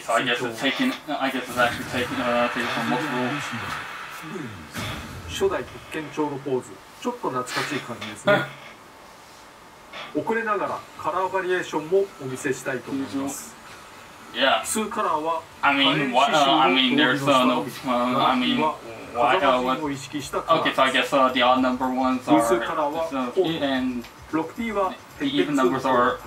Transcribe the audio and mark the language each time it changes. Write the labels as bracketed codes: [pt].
[en] so I guess it's taken, I guess it's actually taken, taken from multiple [ja] 初代鉄拳長のポーズ、ちょっと懐かしい感じですね。遅れながらカラーバリエーションもお見せしたいと思います。 [en] Yeah. I mean, what, I mean, there's no, I mean, why, what, okay, so I guess the odd number ones are Shizuki, and the even numbers are